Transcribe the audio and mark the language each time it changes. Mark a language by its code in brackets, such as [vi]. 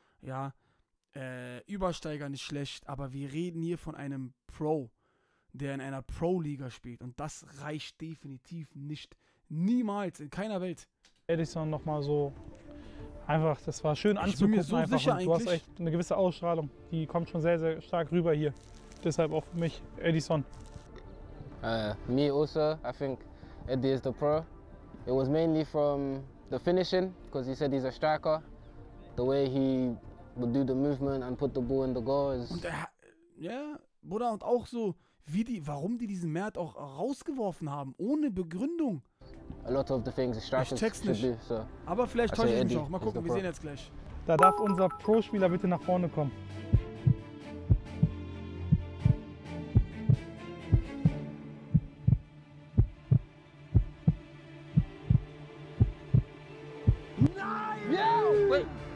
[de] Ja, Übersteiger nicht schlecht, aber wir reden hier von einem Pro, der in einer Pro-Liga spielt. Und das reicht definitiv nicht. Niemals, in keiner Welt. Edison nochmal so... Einfach, das war schön anzugucken. Ich bin mir so sicher eigentlich. Du hast echt eine gewisse Ausstrahlung. Die kommt schon sehr, sehr stark rüber hier. Deshalb auch für mich, Edison. [en] Me also, I think Eddie is the pro. It was mainly from the finishing, because he said he's a striker. The way he would do the movement and put the ball in the goal is... [de] Und Bruder, und auch so, wie die, warum die diesen Mert auch rausgeworfen haben, ohne Begründung. [en] A lot of the things strikers should do, so. [de] Aber vielleicht täusche ich mich auch. Mal gucken, wir sehen jetzt gleich. Da darf unser Pro-Spieler bitte nach vorne kommen. Nein! [en] Yeah, wait.